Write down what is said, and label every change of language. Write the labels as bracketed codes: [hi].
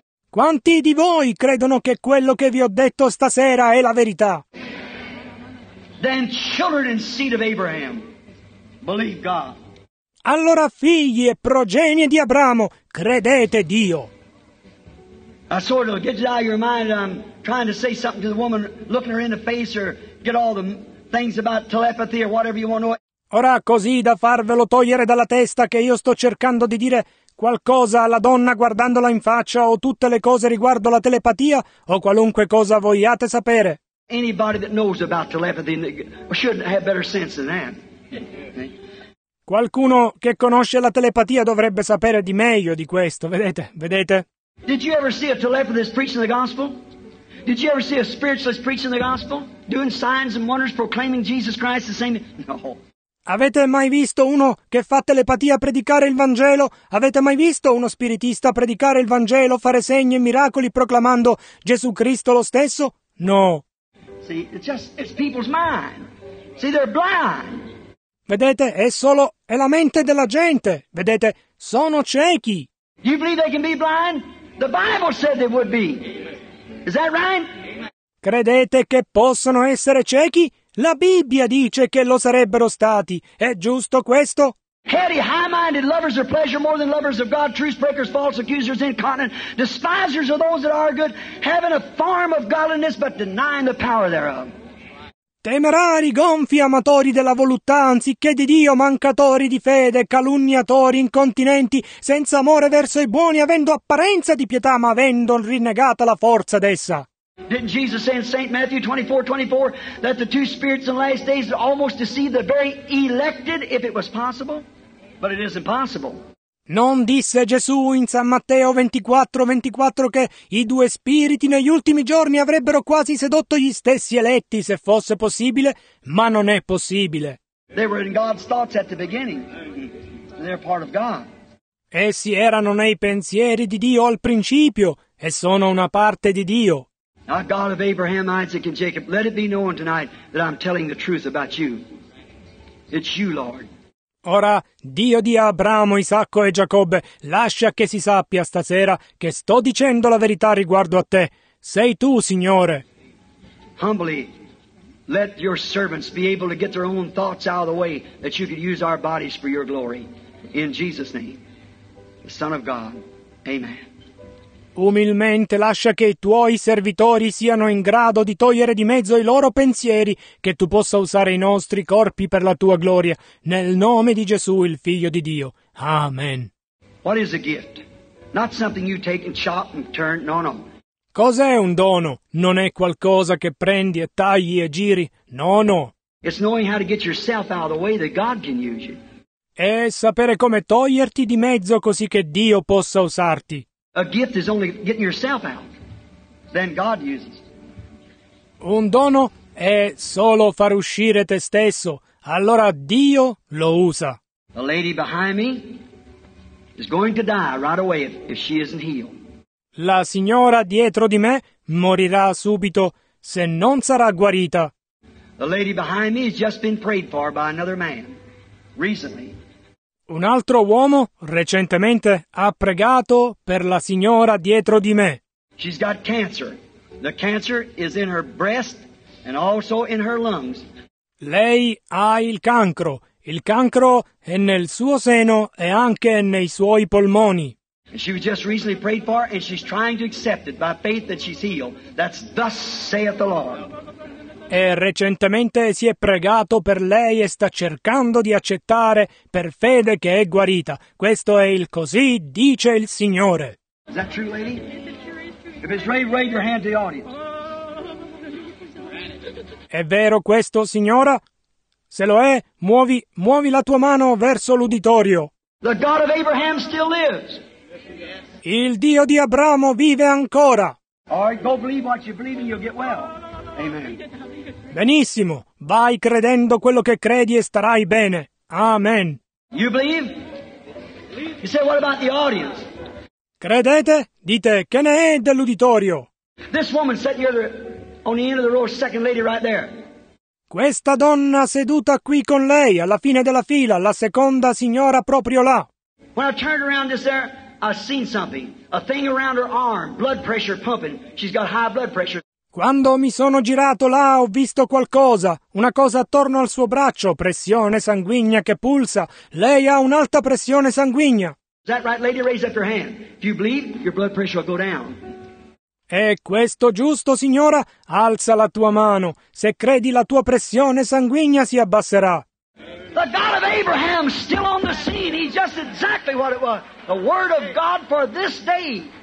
[it] Quanti di voi credono che quello che vi ho detto stasera è la verità? [en] Then children and seed of Abraham, believe God. [it] Allora figli e progenie di Abramo, credete Dio. [en] I sort of get it out of your mind. I'm trying to say something to the woman, looking her in the face, or get all the things about telepathy or whatever you want to know. [it] Ora così da farvelo togliere dalla testa che io sto cercando di dire qualcosa alla donna guardandola in faccia o tutte le cose riguardo la telepatia o qualunque cosa vogliate sapere. [en] Anybody that knows about telepathy shouldn't have better sense than that. [it] Qualcuno che conosce la telepatia dovrebbe sapere di meglio di questo, vedete, vedete? [en] Did you ever see a telepathist preaching the gospel? Did you ever see a spiritualist preaching the gospel? Doing signs and wonders proclaiming Jesus Christ the same? No. [it] Avete mai visto uno che fa telepatia predicare il Vangelo? Avete mai visto uno spiritista predicare il Vangelo, fare segni e miracoli proclamando Gesù Cristo lo stesso? No. [en] See, it's people's mind. See, they're blind. [it] Vedete, è la mente della gente. Vedete, sono ciechi. [en] You believe they can be blind? The Bible said they would be. Is that right? [it] Credete che possono essere ciechi? La Bibbia dice che lo sarebbero stati. È giusto questo? [en] Heady, high-minded lovers of pleasure more than lovers of God, truth breakers, false accusers, incontinent, despisers of those that are good, having a form of godliness but denying the power thereof. [it] Temerari, gonfi, amatori della voluttà anziché di Dio, mancatori di fede, calunniatori, incontinenti, senza amore verso i buoni, avendo apparenza di pietà ma avendo rinnegata la forza d'essa. [en] Didn't Jesus say in St. Matthew 24:24 that the two spirits in the last days almost deceive the very elected, if it was possible? But it is impossible. [it] Non disse Gesù in San Matteo 24:24 che i due spiriti negli ultimi giorni avrebbero quasi sedotto gli stessi eletti se fosse possibile, ma non è possibile. [en] They were in God's thoughts at the beginning. They're part of God. [it] Essi erano nei pensieri di Dio al principio e sono una parte di Dio. [en] Now God of Abraham, Isaac and Jacob, let it be known tonight that I'm telling the truth about you. It's you, Lord. [it] Ora, Dio di Abramo, Isacco e Giacobbe, lascia che si sappia stasera che sto dicendo la verità riguardo a te. Sei tu, Signore. [en] Humbly, let your servants be able to get their own thoughts out of the way that you could use our bodies for your glory. In Jesus' name, the Son of God. Amen. [it] Umilmente lascia che i tuoi servitori siano in grado di togliere di mezzo i loro pensieri, che tu possa usare i nostri corpi per la tua gloria, nel nome di Gesù, il Figlio di Dio. Amen. [en] What is a gift? Not something you take and chop and turn. No, no. [it] Cos'è un dono? Non è qualcosa che prendi e tagli e giri. No, no. [en] It's knowing how to get yourself out of the way that God can use you. [it] È sapere come toglierti di mezzo così che Dio possa usarti. [en] A gift is only getting yourself out. Then God uses. [it] Un dono è solo far uscire te stesso. Allora Dio lo usa. [en] The lady behind me is going to die right away if she isn't healed. [it] La signora dietro di me morirà subito se non sarà guarita. [en] The lady behind me has just been prayed for by another man recently. [it] Un altro uomo recentemente ha pregato per la signora dietro di me. [en] She's got cancer. The cancer is in her breast and also in her lungs. [it] Lei ha il cancro. Il cancro è nel suo seno e anche nei suoi polmoni. [en] And she was just recently prayed for and she's trying to accept it by faith that she's healed. That's thus saith the Lord. [it] E recentemente si è pregato per lei e sta cercando di accettare per fede che è guarita. Questo è il così dice il Signore. [en] Is that true, lady? If it's right, raise your hand to the audience. [it] È vero questo, signora? Se lo è, muovi la tua mano verso l'uditorio. [en] The God of Abraham still lives. [it] Il Dio di Abramo vive ancora. [en] All right, go believe what you believe and you'll get well. Amen. [it] Benissimo, vai credendo quello che credi e starai bene. Amen. [en] You believe? You say, what about the audience? [it] Credete? Dite, che ne è dell'uditorio? [en] This woman sitting here on the end of the row, second lady right there. [it] Questa donna seduta qui con lei, alla fine della fila, la seconda signora proprio là. [en] When I turned around this there, I seen something. A thing around her arm, blood pressure pumping. She's got high blood pressure. [it] Quando mi sono girato là ho visto qualcosa, una cosa attorno al suo braccio, pressione sanguigna che pulsa. Lei ha un'alta pressione sanguigna. [en] Is that right, lady? Raise up your hand. If you bleed, your blood pressure will go down. [it] È questo giusto, signora? Alza la tua mano. Se credi, la tua pressione sanguigna si abbasserà. [en] The God of Abraham still on the scene. He's just exactly what it was. The word of God for this day.